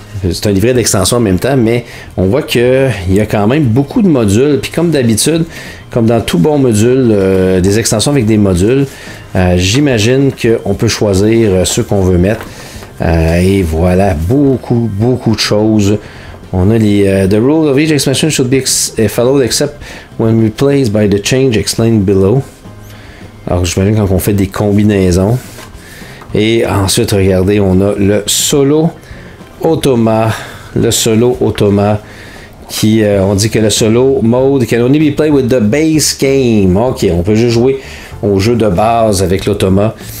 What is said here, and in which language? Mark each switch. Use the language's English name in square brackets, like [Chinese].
[French] C'est un livret d'extension en même temps, mais on voit qu'il y a quand même beaucoup de modules. Puis comme d'habitude, comme dans tout bon module, des extensions avec des modules, j'imagine qu'on peut choisir ceux qu'on veut mettre. Et voilà, beaucoup, beaucoup de choses. On a les [English] The rule of each expansion should be followed except when replaced by the change explained below. [French] Alors, j'imagine quand on fait des combinaisons. Et ensuite, regardez, on a le solo Automa. Le solo Automa qui, on dit que le solo mode [English] can only be played with the base game. [French] Ok, on peut juste jouer au jeu de base avec l'Automa.